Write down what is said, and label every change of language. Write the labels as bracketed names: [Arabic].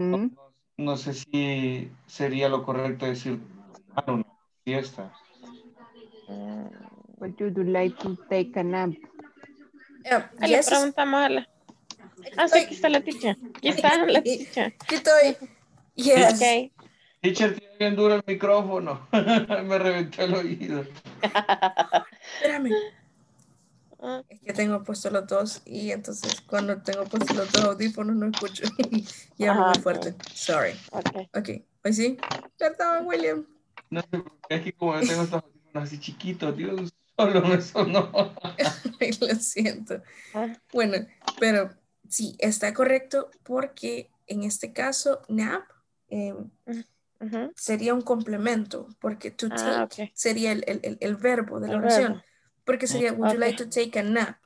[Spanish] No, no sé si sería lo correcto decir tomar una siesta. [English] Would you do like to take a nap? [Spanish] Le preguntamos a la. Ah, sí, aquí está la ticha. Aquí está la ticha. Aquí estoy. [English] Yes. Okay. [Spanish] Ticha tiene bien duro el micrófono. Me reventó el oído. Espérame. Es que tengo puesto los dos y entonces cuando tengo puesto los dos audífonos no escucho. Y hablo muy fuerte. [English] Okay. Sorry. Okay. [Spanish] Ok. Hoy sí. Perdón, William. No, es que como yo tengo estos audífonos así chiquitos, Dios, solo me sonó. Lo siento. Bueno, pero... Sí, está correcto porque en este caso nap sería un complemento porque to take sería el verbo de la oración. Porque sería [English] would you like to take a nap?